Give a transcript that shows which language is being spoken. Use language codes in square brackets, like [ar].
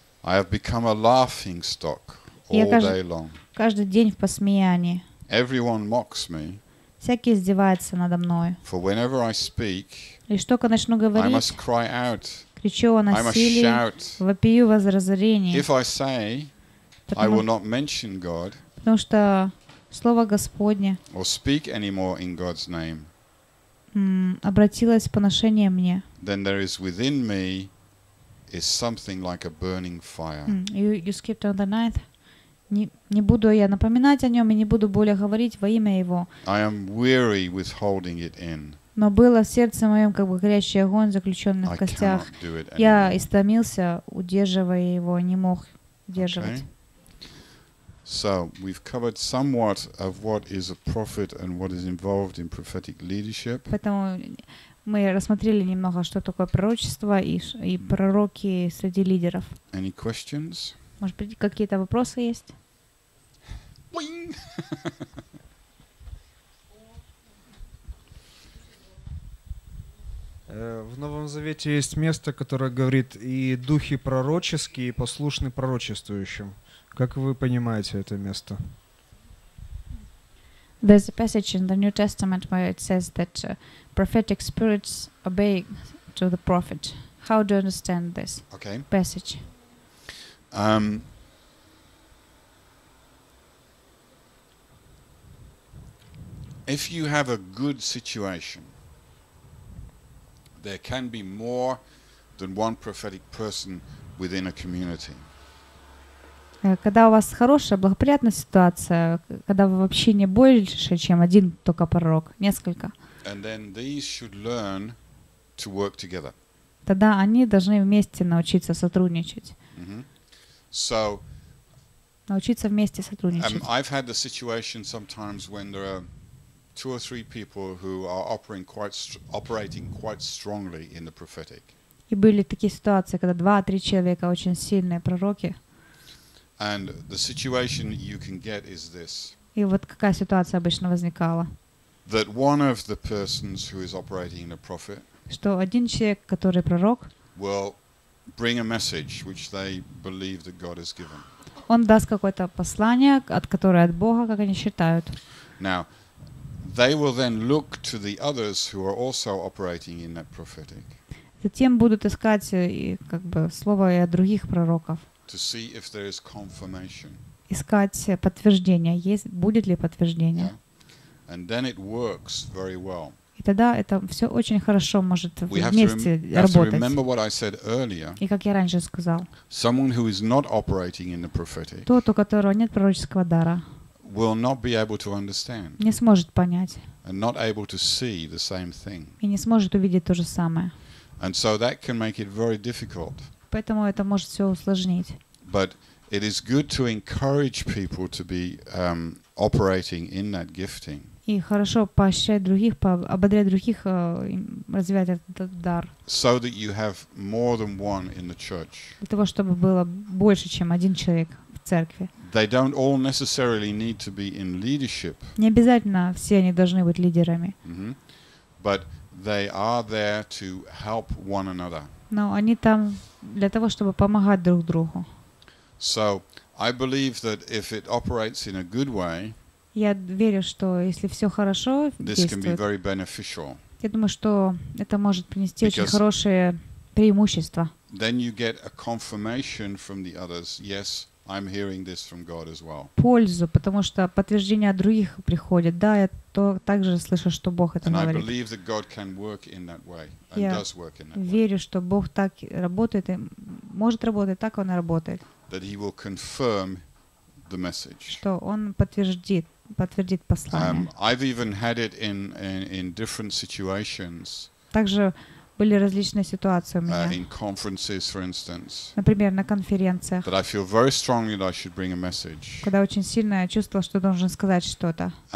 [en] I have become a laughing stock all day long. [ru] Каждый день в посмеянии. [en] Everyone mocks me. [ru] Всякий издевается надо мной. [en] For whenever I speak, [ru] и что только начну говорить, [en] I must cry out. [ru] Кричу о насилии, вопию возразрение. [en] If I say, I will not mention God. [ru] Потому что слово Господне. [en] Or speak anymore in God's name. [ru] Обратилось поношение мне. [en] Then there is within me is something like a burning fire. You skipped on the ninth. [ru] Не буду я напоминать о нем и не буду более говорить во имя его. [en] I am weary with holding it in. [ru] Но было в сердце моем как бы горящий огонь, заключенный в костях. Я истомился, удерживая его, не мог удерживать. [en] Okay. So we've covered somewhat of what is a prophet and what is involved in prophetic leadership. [ru] Поэтому мы рассмотрели немного, что такое пророчество и пророки среди лидеров. [en] Any questions? [ru] Может быть, какие-то вопросы есть? Уинг! В Новом Завете есть место, которое говорит «и духи пророческие, и послушны пророчествующим». Как вы понимаете это место? [en] There's a passage in the New Testament where it says that prophetic spirits obey to the prophet. How do you understand this okay. passage? If you have a good situation, there can be more than one prophetic person within a community. [ru] Когда у вас хорошая, благоприятная ситуация, когда вы вообще не больше, чем один только пророк, несколько, [en] and then these should learn to work together. [ru] Тогда они должны вместе научиться сотрудничать. [en] So, [ru] научиться вместе сотрудничать. [en] I've had the situation sometimes when there are two or three people who are operating quite strongly in the prophetic. [ru] И были такие ситуации, когда 2-3 человека очень сильные пророки. [en] And the situation you can get is this. [ru] И вот какая ситуация обычно возникала? [en] That one of the persons who is operating a prophet. [ru] Что один человек, который пророк, [en] will bring a message which they believe that God has given. [ru] Он даст какое-то послание, от которого от Бога, как они считают. [en] Now, they will then look to the others who are also operating in that prophetic. [ru] Затем будут искать и как бы слово и от других пророков. [en] To see if there is confirmation. [ru] Искать подтверждение. Есть будет ли подтверждение? [en] Yeah. And then it works very well. [ru] И тогда это все очень хорошо может [en] we [ru] вместе [en] have to [ru] работать. [en] To remember what I said earlier. [ru] И как я раньше сказал. [en] Someone who is not operating in the prophetic. [ru] Тот, у которого нет пророческого дара. [en] Will not be able to understand. [ru] Не сможет понять. [en] And not able to see the same thing. [ru] И не сможет увидеть то же самое. [en] And so that can make it very difficult. [ru] Поэтому это может все усложнить. [en] But it is good to encourage people to be operating in that gifting. [ru] И хорошо поощрять других, ободрять других, развивать этот дар. [en] So that you have more than one in the church. [ru] Для того, чтобы было больше, чем один человек в церкви. [en] They don't all necessarily need to be in leadership. [ru] Не обязательно все они должны быть лидерами. [en] But they are there to help one another. [ru] Но они там для того, чтобы помогать друг другу. [en] So, I believe that if it operates in a good way, [ru] Я верю, что если все хорошо действует, я думаю, что это может принести очень хорошее преимущество. [en] Then you get a confirmation from the others. Yes, I'm hearing this from God as well. [ru] Пользу, потому что подтверждение от других приходит. Да, я то также слышу, что Бог это говорит. [en] And I believe that God can work in that way and does work in that way. [ru] Я верю, что Бог так работает и может работать, так он и работает. [en] That he will confirm the message. [ru] Что он подтвердит послание. [en] I've even had it in different situations. [ru] Также были различные ситуации у меня. [en] In conferences, for instance, [ru] например, на конференциях. [en] That I feel very strongly that I should bring a message. [ru] Когда очень сильно я чувствовал, что должен сказать что-то.